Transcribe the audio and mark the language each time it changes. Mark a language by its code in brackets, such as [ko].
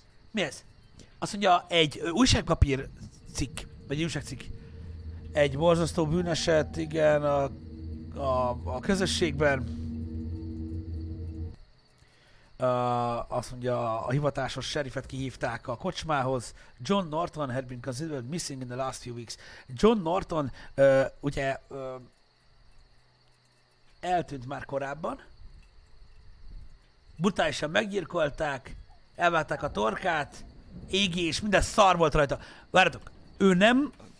[hu] Mi ez? Azt mondja, egy újságpapír cikk, vagy újságcikk. Egy borzasztó bűneset, igen, a közösségben. Azt mondja, a hivatásos sheriffet kihívták a kocsmához. [en] John Norton had been considered missing in the last few weeks. [hu] John Norton, ugye, eltűnt már korábban. Brutálisan meggyilkolták. Elválták a torkát, égi és minden szar volt rajta. Várjatok, ő nem...